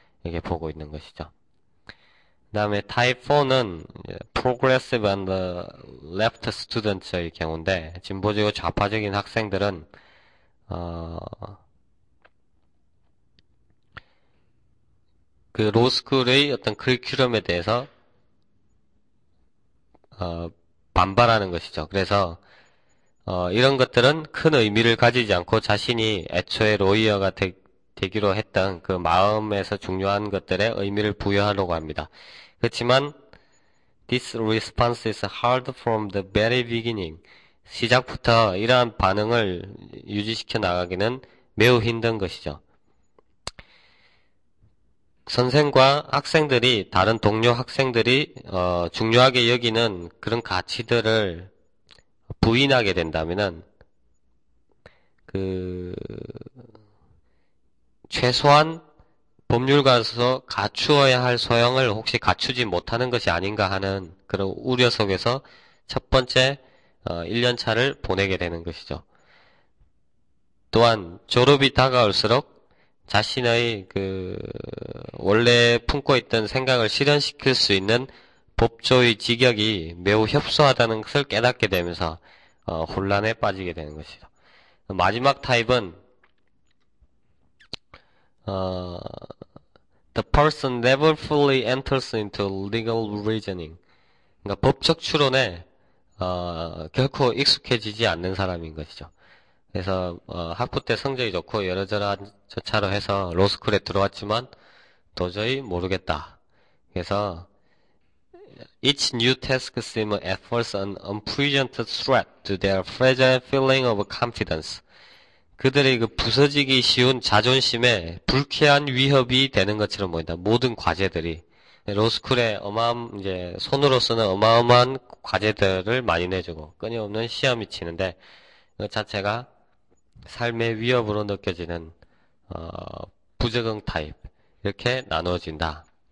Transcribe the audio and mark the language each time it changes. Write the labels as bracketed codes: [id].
[ko] 이렇게 보고 있는 것이죠. 그 다음에 타입 4는 progressive and left students의 경우인데, 진보적이고 좌파적인 학생들은 그 로스쿨의 어떤 커리큘럼에 대해서 반발하는 것이죠. 그래서 이런 것들은 큰 의미를 가지지 않고 자신이 애초에 로이어가 되기로 했던 그 마음에서 중요한 것들에 의미를 부여하려고 합니다. [en] 그렇지만 this response is hard from the very beginning. [ko] 시작부터 이러한 반응을 유지시켜 나가기는 매우 힘든 것이죠. 선생과 학생들이 다른 동료 학생들이 중요하게 여기는 그런 가치들을 부인하게 된다면은 그 최소한 법률가로서 갖추어야 할 소양을 혹시 갖추지 못하는 것이 아닌가 하는 그런 우려 속에서 첫 번째 1년 차를 보내게 되는 것이죠. 또한 졸업이 다가올수록 자신의 그 원래 품고 있던 생각을 실현시킬 수 있는 법조의 직역이 매우 협소하다는 것을 깨닫게 되면서 혼란에 빠지게 되는 것이죠. 마지막 타입은 [en] the person never fully enters into legal reasoning. [ko] 그러니까 법적 추론에 결코 익숙해지지 않는 사람인 것이죠. 그래서 학부 때 성적이 좋고 여러저런 절차로 해서 로스쿨에 들어왔지만 도저히 모르겠다. [en] 그래서 Each new task seems at first an unpleasant threat to their fragile feeling of confidence. [ko] 그들의 그 부서지기 쉬운 자존심에 불쾌한 위협이 되는 것처럼 보인다. 모든 과제들이. 로스쿨에 이제 손으로 쓰는 어마어마한 과제들을 많이 내주고 끊임없는 시험이 치는데 그 자체가 삶의 위협으로 느껴지는 부적응 타입 이렇게 나누어진다.